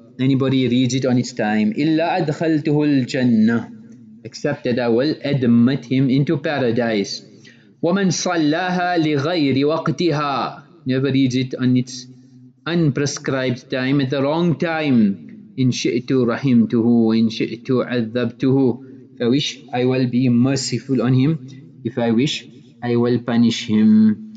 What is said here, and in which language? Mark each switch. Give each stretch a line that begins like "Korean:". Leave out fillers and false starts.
English: Anybody reads it on its time.
Arabic: إِلَّا أَدْخَلْتُهُ الْجَنَّةِ.
English: Except that I will admit him into paradise.
Arabic: وَمَنْ صَلَّهَا لِغَيْرِ وَقْتِهَا.
English: Never reads it on its unprescribed time, at the wrong time.
Arabic: إن شئت رحمته وإن شئت عذبته.
English: If I wish, I will be merciful on him. If I wish, I will punish him.